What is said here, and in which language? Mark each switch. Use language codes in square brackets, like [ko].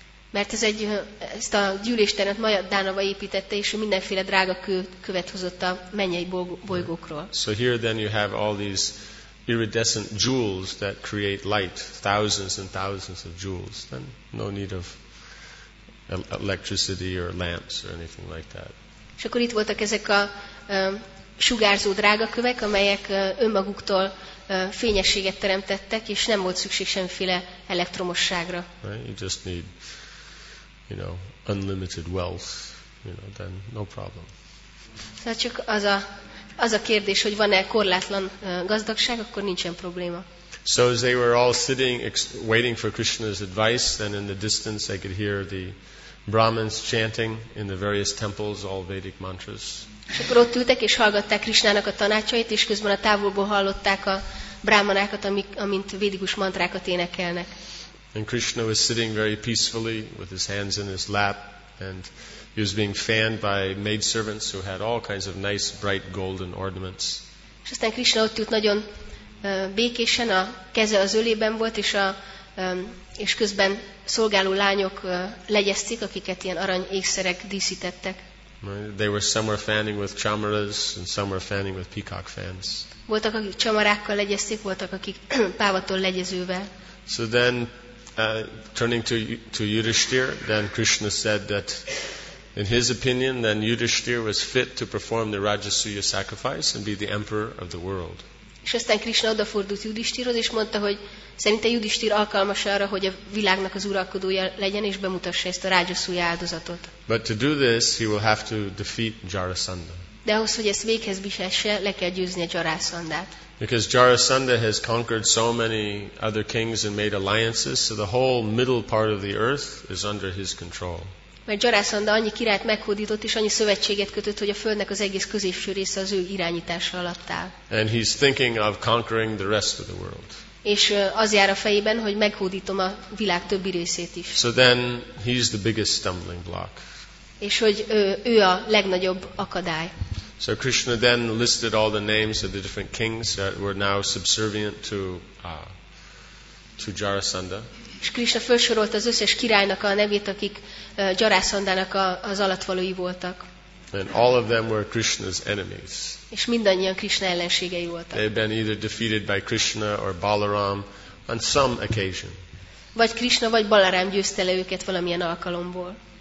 [hu] Mert ezt a gyűlésteret Maya Danava építette, és mindenféle drága követ hozott a mennyei bolygókról. [en] So here then you have all these iridescent jewels that create light, thousands and thousands of jewels. Then no need of electricity or lamps or anything like that. [hu] És akkor itt voltak ezek a sugárzó drága kövek, amelyek önmaguktól fényességet teremtettek, és nem volt szükség semmiféle elektromosságra. [en] Right? You just need, you know, unlimited wealth, you know, then no problem. [hu] Szóval csak az a kérdés, hogy van-e korlátlan gazdagság, akkor nincsen probléma. [en] So as they were all sitting, waiting for Krishna's advice, then in the distance they could hear the Brahmins chanting in the various temples all Vedic mantras. [hu] És akkor ott ültek és hallgatták Krishnának a tanácsait, és közben a távolból hallották a brahmanákat, amint védikus mantrákat énekelnek. [en] And Krishna was sitting very peacefully with his hands in his lap, and he was being fanned by maidservants who had all kinds of nice bright golden ornaments. [hu] És aztán Krishna ott ült nagyon békésen, a keze az ölében volt, és közben szolgáló lányok legyeztik, akiket ilyen arany ékszerek díszítettek. [en] They were somewhere fanning with chamaras and somewhere fanning with peacock fans. [hu] Voltak, akik csamarákkal legyezték, voltak, akik pávattól legyezővel. [en] So then, turning to Yudhishthir, then Krishna said that, in his opinion, then Yudhishthir was fit to perform the Rajasuya sacrifice and be the emperor of the world. [hu] És aztán Krishna odafordult Yudhishthirhoz, és mondta, hogy szerinte Yudhishthir alkalmas arra, hogy a világnak az uralkodója legyen, és bemutassa ezt a Rajasuya áldozatot. [en] But to do this, he will have to defeat Jarasandha. [hu] De ahhoz, hogy ezt véghez visesse, le kell győzni a Jarasandhát. [en] Because Jarasandha has conquered so many other kings and made alliances, so the whole middle part of the earth is under his control. [hu] Mert Jarasandha annyi királyt meghódított és annyi szövetséget kötött, hogy a földnek az egész középső része az ő irányítása alatt áll. [en] And he's thinking of conquering the rest of the world. [hu] És az jár a fejében, hogy meghódítom a világ többi részét is. [en] So then he's the biggest stumbling block. [hu] És hogy ő a legnagyobb akadály. [en] So Krishna then listed all the names of the different kings that were now subservient to Jarasandha. [hu] És Krishna felsorolt az összes királynak a nevét, akik Jarasandhának az alattvalói voltak. [en] And all of them were Krishna's enemies. [hu] És mindannyian Krishna ellenségei voltak. [en] They had been either defeated by Krishna or Balaram on some occasion. [hu] Vagy Krishna vagy Balaram győzte le őket valamilyen alkalomból.